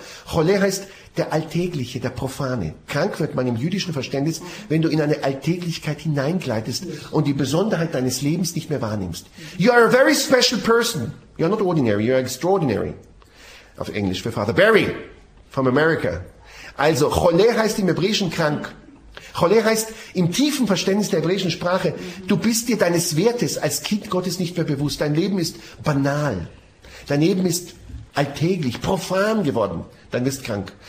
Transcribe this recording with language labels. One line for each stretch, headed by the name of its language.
German: Chole heißt der Alltägliche, der Profane. Krank wird man im jüdischen Verständnis, wenn du in eine Alltäglichkeit hineingleitest und die Besonderheit deines Lebens nicht mehr wahrnimmst.
English: You are a very special person. You are not ordinary, you are extraordinary.
German: Auf Englisch für Father Barry. From America. Also, Chole heißt im Hebräischen krank. Chole heißt im tiefen Verständnis der hebräischen Sprache, du bist dir deines Wertes als Kind Gottes nicht mehr bewusst. Dein Leben ist banal. Dein Leben ist alltäglich, profan geworden. Dann wirst du krank.